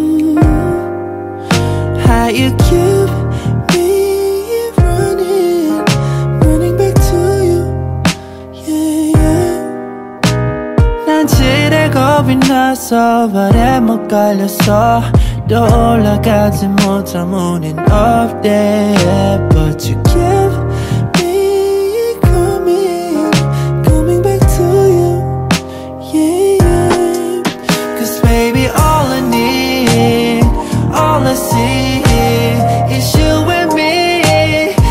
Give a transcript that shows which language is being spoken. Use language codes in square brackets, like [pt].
[en] that you keep me running, running back to you. Yeah, yeah. [ko] 난 지레 겁이 나서 발에 못 걸렸어. 또 올라가지 못한 문엔 없대. [en] But you keep me coming, coming back to you. Yeah, yeah. Cause baby, all I need, all I see is you and me.